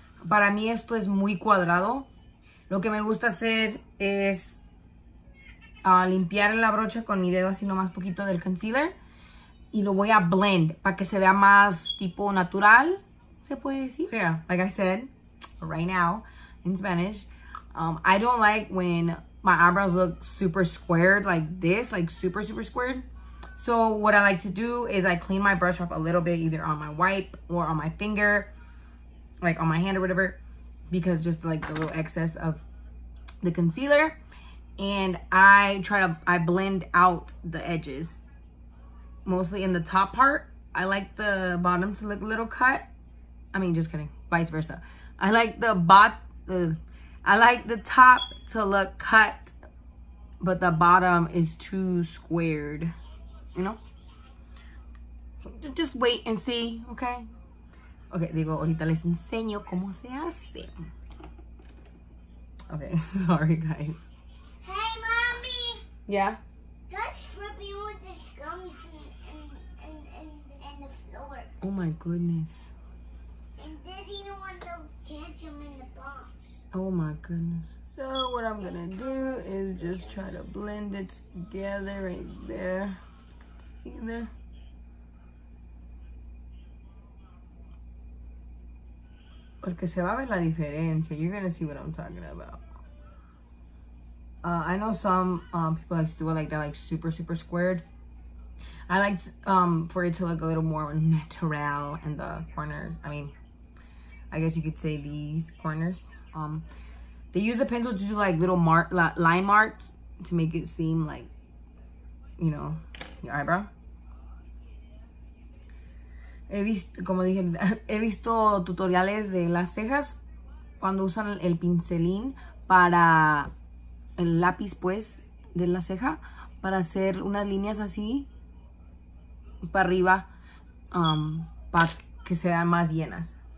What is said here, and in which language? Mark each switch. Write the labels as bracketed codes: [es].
[es] Para mí esto es muy cuadrado. Lo que me gusta hacer es limpiar la brocha con mi dedo así nomás poquito del concealer. Y lo voy a blend para que se vea más tipo natural. ¿Se puede decir? [en] So yeah, like I said, right now, in Spanish. I don't like when my eyebrows look super squared like this. Like super, super squared. So what I like to do is I clean my brush off a little bit either on my wipe or on my finger. Like on my hand or whatever, because just like the little excess of the concealer, and I blend out the edges, mostly in the top part. I like the bottom to look a little cut. I mean, just kidding, vice versa. I like the I like the top to look cut, but the bottom is too squared, you know? Just wait and see, okay? [es] Okay, digo, ahorita les enseño cómo se hace. [en] Okay, sorry, guys. Hey, mommy. Yeah? Don't trip you with the scum in the floor. Oh, my goodness. And daddy don't want to catch him in the box. Oh, my goodness. So, what I'm going to do is just try to blend it together right there. See there? [es] Porque se va a ver la diferencia. [en] You're going to see what I'm talking about. I know some people like to do it like that, like super, super squared. I like for it to look a little more natural in the corners. I mean, I guess you could say these corners. They use the pencil to do like little line marks to make it seem like, you know, your eyebrow. [es] He visto, como dije, he visto tutoriales de las cejas cuando usan el pincelín para el lápiz, pues, de la ceja para hacer unas líneas así para arriba para que sean más llenas.